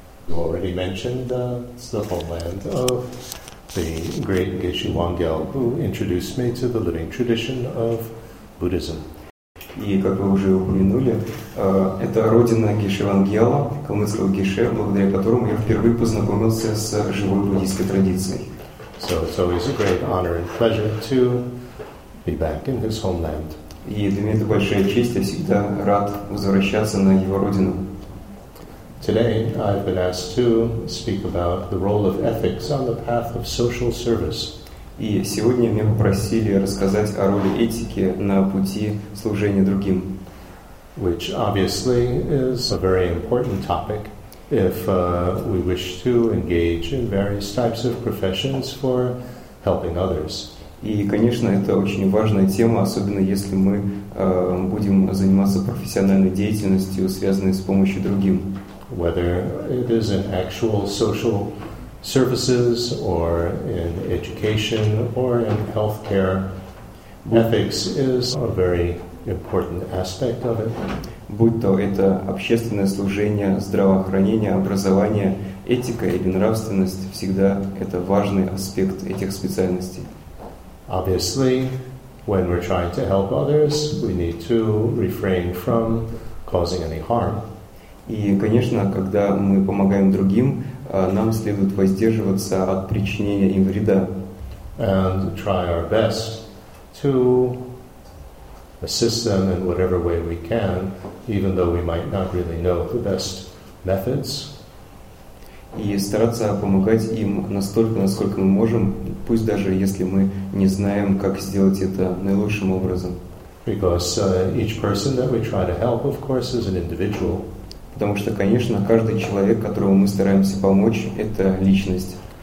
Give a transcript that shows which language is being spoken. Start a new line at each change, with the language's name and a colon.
English: You already mentioned the homeland of the great Geshe Wangyal, who introduced me to the living tradition of Buddhism.
Russian: И как вы уже упомянули, это родина Геши Вангела, калмыцкого Геше, благодаря которому я впервые познакомился с живой буддийской традицией.
English: So it's always a great honor and pleasure to be back in his homeland.
Russian: И для меня это большая честь, я всегда рад возвращаться на его родину.
English: Today I've been asked to speak about the role of ethics on the path of social service.
Russian: И сегодня меня попросили рассказать о роли этики на пути служения другим.
English: Which obviously is a very important topic if we wish to engage in various types of professions for helping others.
Russian: И, конечно, это очень важная тема, особенно если мы будем заниматься профессиональной деятельностью, связанной с помощью другим.
English: Whether it is an actual social services or in education or in healthcare, ethics is a very important aspect of it.
Russian: Будь то это общественное служение, здравоохранение, образование, этика или нравственность, всегда это важный аспект этих специальностей.
English: Obviously, when we're trying to help others, we need to refrain from causing any harm.
Russian: И, конечно, когда мы помогаем другим, нам следует воздерживаться от причинения им вреда.
English: And try our best to assist them in whatever way we can, even though we might not really know the best methods.
Russian: И стараться помогать им настолько, насколько мы можем, пусть даже если мы не знаем, как сделать это наилучшим образом.
English: Because each person that we try to help, of course, is an individual.
Russian: Потому что, конечно, каждый человек, которому мы стараемся помочь, это личность.